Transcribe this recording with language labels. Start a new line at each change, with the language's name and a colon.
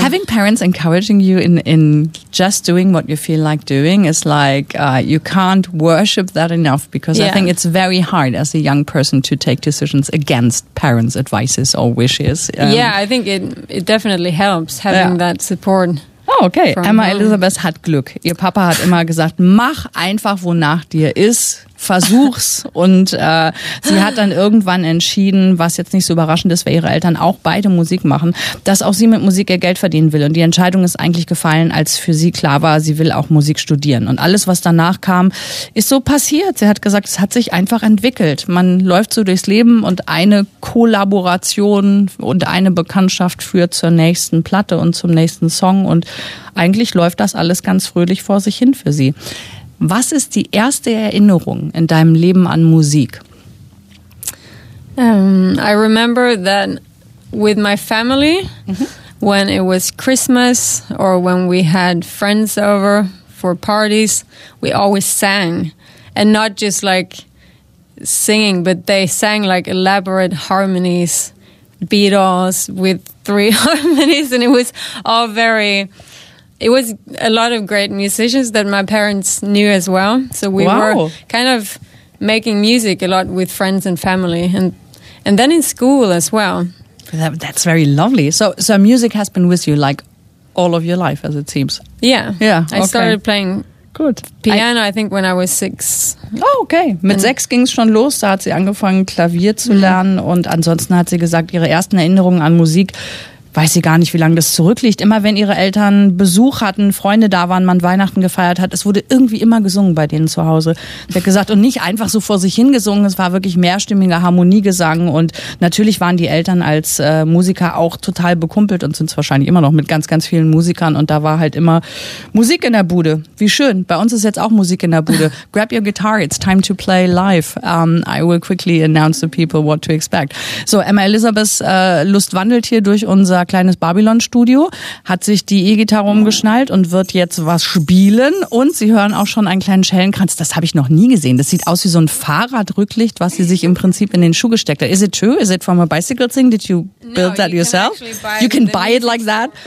English: Having parents encouraging you in just doing what you feel like doing is like you can't worship that enough, because yeah. I think it's very hard as a young person to take decisions against parents' advices or wishes. Yeah, I think it definitely helps having that support.
German: Oh, okay. Emma Elizabeth hat Glück. Ihr Papa hat immer gesagt, mach einfach, wonach dir ist. Versuch's. Und sie hat dann irgendwann entschieden, was jetzt nicht so überraschend ist, weil ihre Eltern auch beide Musik machen, dass auch sie mit Musik ihr Geld verdienen will. Und die Entscheidung ist eigentlich gefallen, als für sie klar war, sie will auch Musik studieren. Und alles, was danach kam, ist so passiert. Sie hat gesagt, es hat sich einfach entwickelt. Man läuft so durchs Leben und eine Kollaboration und eine Bekanntschaft führt zur nächsten Platte und zum nächsten Song. Und eigentlich läuft das alles ganz fröhlich vor sich hin für sie. Was ist die erste Erinnerung in deinem Leben an Musik?
English: I remember that with my family, mm-hmm. when it was Christmas or when we had friends over for parties, we always sang. And not just like singing, but they sang like elaborate harmonies, Beatles with 3 harmonies, and it was all very... It was a lot of great musicians that my parents knew as well. So we wow. were kind of making music a lot with friends and family. And then in school as well. That's very lovely. So music has been with you like all of your life, as it seems. Yeah. Yeah. I started playing good piano, I think, when I was 6.
German: Oh, okay. Mit 6 ging es schon los. Da hat sie angefangen, Klavier zu lernen. Und ansonsten hat sie gesagt, ihre ersten Erinnerungen an Musik, weiß sie gar nicht, wie lange das zurückliegt. Immer wenn ihre Eltern Besuch hatten, Freunde da waren, man Weihnachten gefeiert hat, es wurde irgendwie immer gesungen bei denen zu Hause. Sie hat gesagt, und nicht einfach so vor sich hingesungen, es war wirklich mehrstimmiger Harmoniegesang. Und natürlich waren die Eltern als Musiker auch total bekumpelt und sind es wahrscheinlich immer noch mit ganz, ganz vielen Musikern. Und da war halt immer Musik in der Bude. Wie schön. Bei uns ist jetzt auch Musik in der Bude.
English: Grab your guitar, it's time to play live. I will quickly announce the people what to expect.
German: So, Emma Elisabeth, Lust wandelt hier durch unser kleines Babylon-Studio, hat sich die E-Gitarre umgeschnallt und wird jetzt was spielen. Und sie hören auch schon einen kleinen Schellenkranz. Das habe ich noch nie gesehen. Das sieht aus wie so ein Fahrradrücklicht, was sie sich im Prinzip in den Schuh gesteckt hat.
English: Is it true? Is it from a bicycle thing? Did you build that yourself? You can buy it like that?